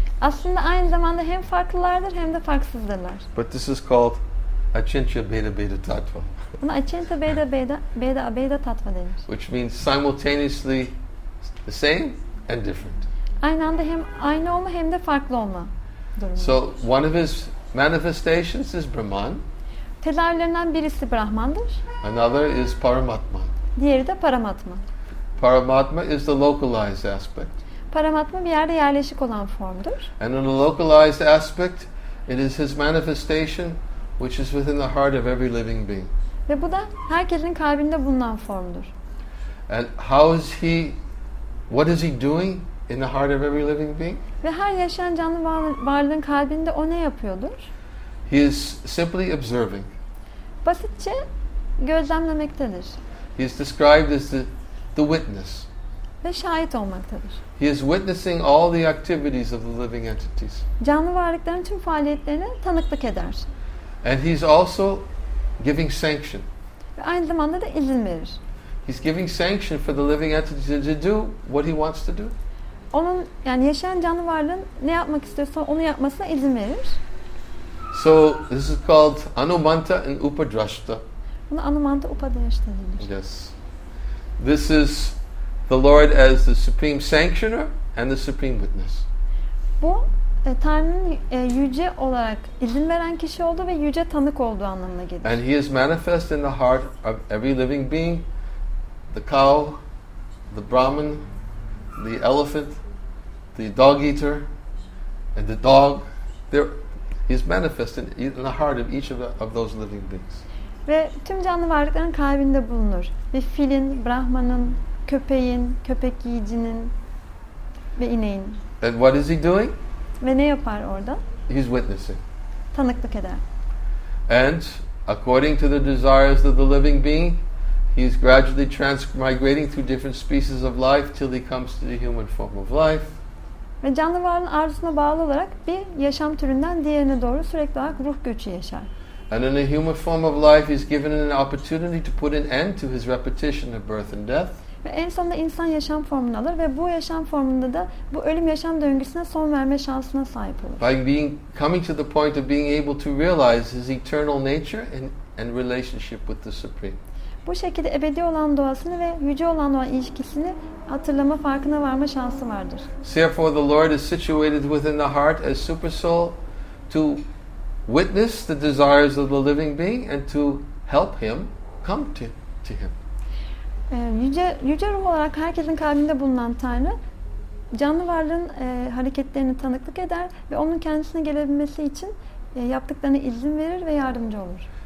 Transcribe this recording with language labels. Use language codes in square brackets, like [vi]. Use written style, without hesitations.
[tr] Aslında aynı zamanda hem farklılardır hem de farksızdırlar. [en] But this is called Achintya Bheda Bheda Tattva. [tr] Buna Achintya Bheda Bheda Bheda Abheda Tattva denir. [en] Which means simultaneously the same and different. [tr] Aynı anda hem aynı olma hem de farklı olma durumu. [en] So one of his manifestations is Brahman. [tr] Tezahürlerinden birisi Brahman'dır. [en] Another is Paramatma. [tr] Diğeri de Paramatma. [en] Paramatma is the localized aspect. [tr] Paramatma bir yerde yerleşik olan formdur. [en] And in a localized aspect, it is his manifestation which is within the heart of every living being. [tr] Ve bu da herkesin kalbinde bulunan formdur. [en] And how is he, what is he doing in the heart of every living being? [tr] Ve her yaşayan canlı varlığın kalbinde o ne yapıyordur? [en] He is simply observing. [tr] Basitçe gözlemlemektedir. [en] He is described as the witness. [tr] Ve şahit olmaktadır. [en] He is witnessing all the activities of the living entities. [tr] Canlı varlıkların tüm faaliyetlerine tanıklık eder. [en] And he's also giving sanction. [tr] Ve aynı zamanda da izin verir. [en] He's giving sanction for the living entities to do what he wants to do. [tr] Onun yani yaşayan canlı varlığın ne yapmak istiyorsa onu yapmasına izin verir. [en] So this is called Anumanta and Upadrashta. [tr] Bunu Anumanta Upadrashta denir. [en] Yes. This is the Lord as the supreme sanctioner and the supreme witness. [tr] Bu Tanrı'nın yüce olarak izin veren kişi olduğu ve yüce tanık olduğu anlamına gelir. [en] And he is manifest in the heart of every living being, the cow, the Brahman, the elephant, the dog eater, and the dog. He is manifest in the heart of each of those living beings. [tr] Ve tüm canlı varlıkların kalbinde bulunur. Bir filin, Brahman'ın, köpeğin, köpek yiyicinin ve ineğin. [en] And what is he doing? [tr] Ve ne yapar orada? [en] He's witnessing. [tr] Tanıklık eder. [en] And according to the desires of the living being, he is gradually transmigrating through different species of life till he comes to the human form of life. [tr] Ve canlı varlığın arzusuna bağlı olarak bir yaşam türünden diğerine doğru sürekli olarak ruh göçü yaşar. [en] And in the human form of life, he's given an opportunity to put an end to his repetition of birth and death. [tr] Ve en sonunda insan yaşam formunu alır ve bu yaşam formunda da bu ölüm yaşam döngüsüne son verme şansına sahip olur. [en] By coming to the point of being able to realize his eternal nature and relationship with the Supreme. [tr] Bu şekilde ebedi olan doğasını ve yüce olan doğa ilişkisini hatırlama farkına varma şansı vardır. [en] Therefore the Lord is situated within the heart as super soul to witness the desires of the living being and to help him come to him. [tr] Yüce ruh olarak herkesin kalbinde bulunan Tanrı canlı varlığın hareketlerini tanıklık eder ve onun kendisine gelebilmesi için yaptıklarına izin verir ve yardımcı olur.